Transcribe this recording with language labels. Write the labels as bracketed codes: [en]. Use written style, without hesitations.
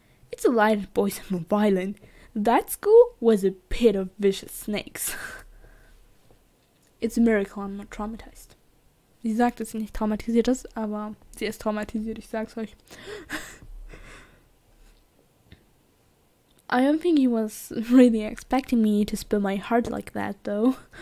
[en] It's a lie that boys are more violent. That school was a pit of vicious snakes. It's a miracle I'm not traumatized. [de] Sie sagt, dass sie nicht traumatisiert ist, aber sie ist traumatisiert, ich sag's euch. [en] I don't think he was really expecting me to spill my heart like that, though.